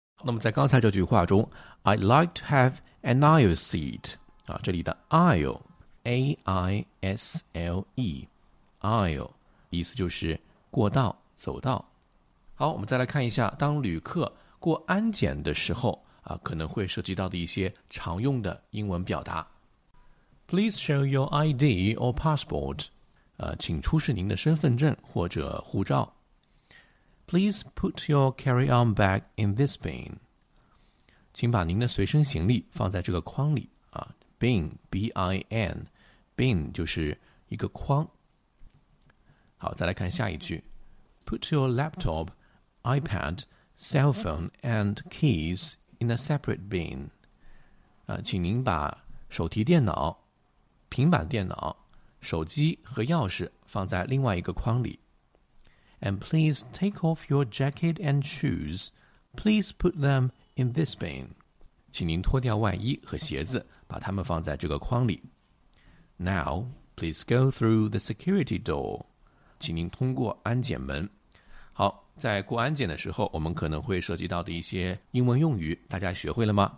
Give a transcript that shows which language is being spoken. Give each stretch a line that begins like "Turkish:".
Chinese: 那么在刚才这句话中
English: I'd like to have an aisle seat
Chinese: 啊，这里的 aisle A-I-S-L-E aisle 意思就是过道走道。好，我们再来看一下当旅客过安检的时候啊，可能会涉及到的一些常用的英文表达。
English: Please show your ID or passport
Chinese: 请出示您的身份证或者护照。
English: Please put your carry-on bag in this bin.
Chinese: 请把您的随身行李放在这个筐里啊。 Bin, B-I-N, bin 就是一个筐。好，再来看下一句。
English: Put your laptop, iPad, cell phone and keys in a separate bin.
Chinese: 请您把手提电脑、平板电脑、手机和钥匙放在另外一个筐里。
English: And please take off your jacket and shoes. Please put them in this bin.
Chinese: 请您脱掉外衣和鞋子，把它们放在这个筐里。
English: Now, please go through the security door.
Chinese: 请您通过安检门。好，在过安检的时候，我们可能会涉及到的一些英文用语，大家学会了吗？